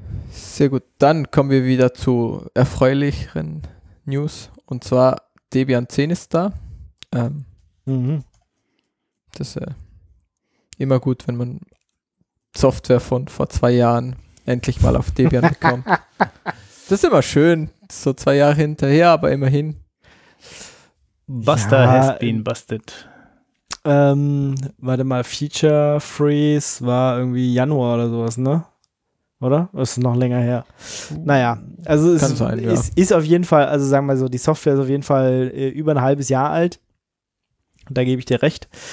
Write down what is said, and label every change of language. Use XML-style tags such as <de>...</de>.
<de>Sehr gut, dann kommen wir wieder zu erfreulicheren News und zwar Debian 10 ist da. Das ist immer gut, wenn man Software von vor 2 Jahren endlich mal auf Debian bekommt. Das ist immer schön, so 2 Jahre hinterher, aber immerhin.</de> <en>Buster ja, has been busted.</en> <de>Warte mal, Feature Freeze war irgendwie Januar oder sowas, ne? Oder? Ist noch länger her. Naja, also es ist auf jeden Fall, also sagen wir mal so, die Software ist auf jeden Fall über ein halbes Jahr alt. Da gebe ich dir recht.</de>